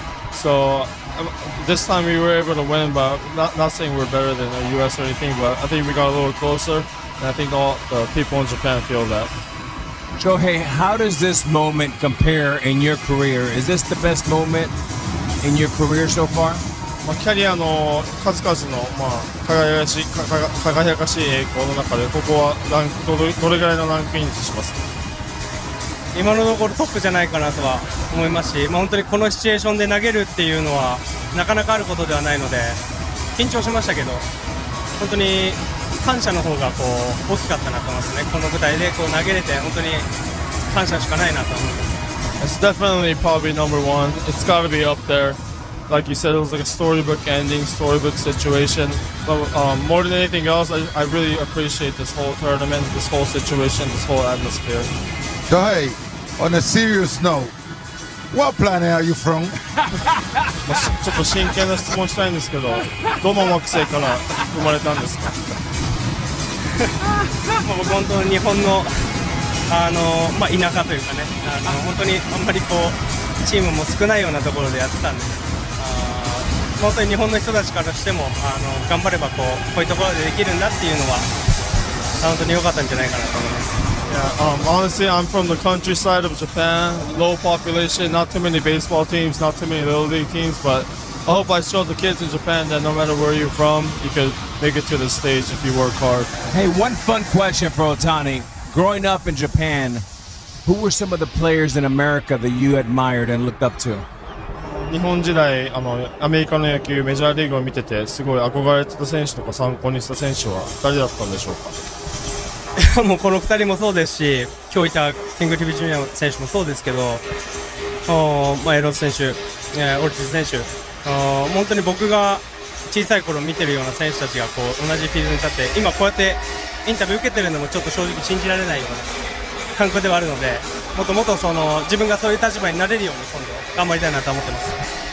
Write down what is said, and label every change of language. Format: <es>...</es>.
<en>So this time we were able to win, but not saying we're better than the US or anything, but I think we got a little closer, and I think all the people in Japan feel that. Shohei, how does this moment compare in your career? Is this the best moment in your career so far?</en> <ja>まあ、キャリアの数々の、まあ、輝かしい栄光の中で、ここはランク、どれぐらいのランクインしますか？今のところトップじゃないかなとは思いますし、まあ、本当にこのシチュエーションで投げるっていうのはなかなかあることではないので緊張しましたけど、本当に感謝の方がこう大きかったなと思いますね。この舞台でこう投げれて本当に感謝しかないなと思います。</ja> <en>It's definitely probably number one. It's gotta be up thereLike you said, it was like a storybook ending, storybook situation. But more than anything else, I really appreciate this whole tournament, this whole situation, this whole atmosphere. So hey, on a serious note, What planet are you from?</en> <ja>ちょっと真剣な質問したいんですけど、どの惑星から生まれたんですか？もう本当に日本の、まあ、田舎というかね、本当にあんまりこうチームも少ないようなところでやってたんで、本当に日本の人たちからしても、頑張ればこういうところでできるんだっていうのは本当に良かったんじゃないかなと思います。</ja> <en>Honestly, I'm from the countryside of Japan. Low population, not too many baseball teams, not too many little league teams. But I hope I show the kids in Japan that no matter where you're from, you could make it to the stage if you work hard. Hey, one fun question for Otani. Growing up in Japan, who were some of the players in America that you admired and looked up to?</en> <ja>日本時代、アメリカの野球、メジャーリーグを見てて、すごい憧れてた選手とか参考にした選手は誰だったんでしょうか？もうこの2人もそうですし、今日いたキングティビジュニア選手もそうですけど、まあ、エロス選手、オルティス選手、本当に僕が小さい頃見てるような選手たちがこう同じフィールドに立って、今こうやってインタビュー受けてるのもちょっと正直信じられないような感覚ではあるので、もっともっとその自分がそういう立場になれるように今度頑張りたいなと思ってます。</ja>